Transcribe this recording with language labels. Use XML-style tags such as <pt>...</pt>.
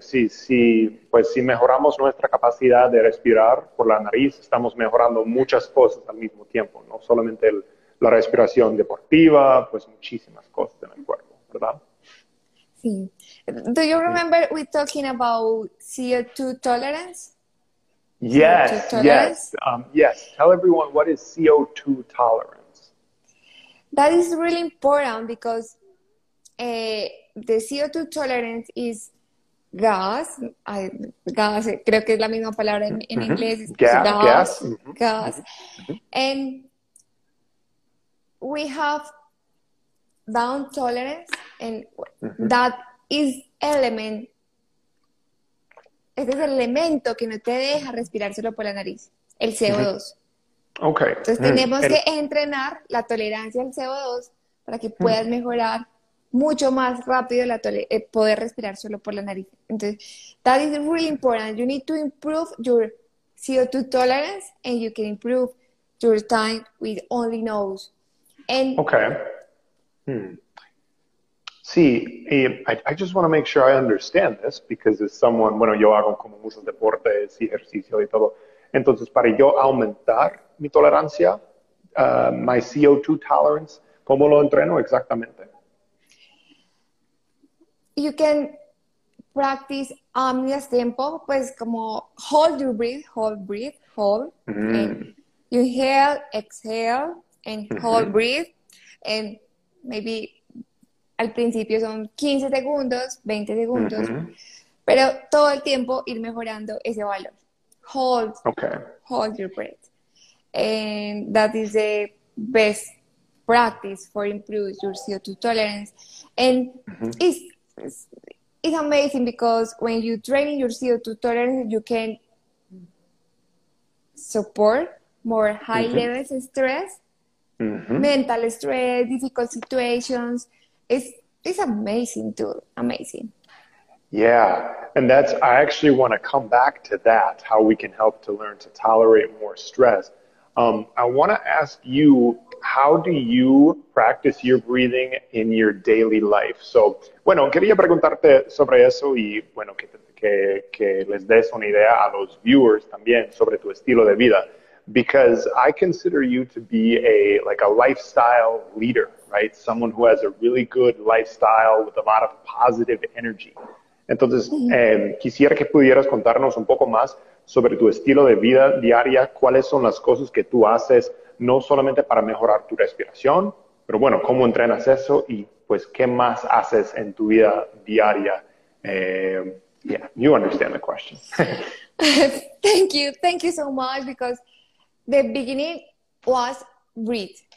<es>Si mejoramos nuestra capacidad de respirar por la nariz, estamos mejorando muchas cosas al mismo tiempo, no solamente la respiración deportiva, pues muchísimas cosas en el cuerpo, ¿verdad? Sí.</es> <en>Do you remember we talking about CO2 tolerance? Yes, yes, yes. Tell everyone, what is CO2 tolerance? That is really important because the CO2 tolerance is gas.</en> <es>Gas, creo que es la misma palabra en mm-hmm. inglés. Gas. Mm-hmm. Gas. Mm-hmm.</es> <en>And we have down tolerance, and mm-hmm. that is element.</en> <es>Este es el elemento que no te deja respirar solo por la nariz, el CO2. Mm-hmm. Okay. Entonces tenemos mm-hmm. que entrenar la tolerancia al CO2 para que puedas mm-hmm. mejorar mucho más rápido poder respirar solo por la nariz.</es> <en>Entonces, that is really important. You need to improve your CO2 tolerance and you can improve your time with only nose. And okay. Hmm. See, I just want to make sure I understand this because as someone,</en> <es>bueno, yo hago como muchos deportes y ejercicio y todo. Entonces, para yo aumentar mi tolerancia,</es> <en>my CO2 tolerance,</en> <es>¿cómo lo entreno exactamente?</es> <en>You can practice amnias tempo,</en> <es>pues como</es> <en>hold your breath, mm-hmm. and inhale, exhale, and hold mm-hmm. breath, and maybe</en> <es>al principio son 15 segundos, 20 segundos, uh-huh. pero todo el tiempo ir mejorando ese valor.</es> <en>Hold, okay. hold your breath. And that is the best practice for improving your CO2 tolerance. And uh-huh. it's amazing because when you train your CO2 tolerance, you can support more high uh-huh. levels of stress, uh-huh. mental stress, difficult situations. It's amazing, too. Amazing. Yeah. And that's, I actually want to come back to that, how we can help to learn to tolerate more stress. I want to ask you, how do you practice your breathing in your daily life?</en> <es>So, bueno, quería preguntarte sobre eso y, bueno, que les des una idea a los viewers también sobre tu estilo de vida.</es> <en>Because I consider you to be a lifestyle leader, right? Someone who has a really good lifestyle with a lot of positive energy. Entonces, quisiera que pudieras contarnos un poco más sobre tu estilo de vida diaria, cuáles son las cosas que tú haces, no solamente para mejorar tu respiración, pero bueno, cómo entrenas eso y pues qué más haces en tu vida diaria. Yeah, you understand the question. Thank you so much because the beginning was breathe.</en>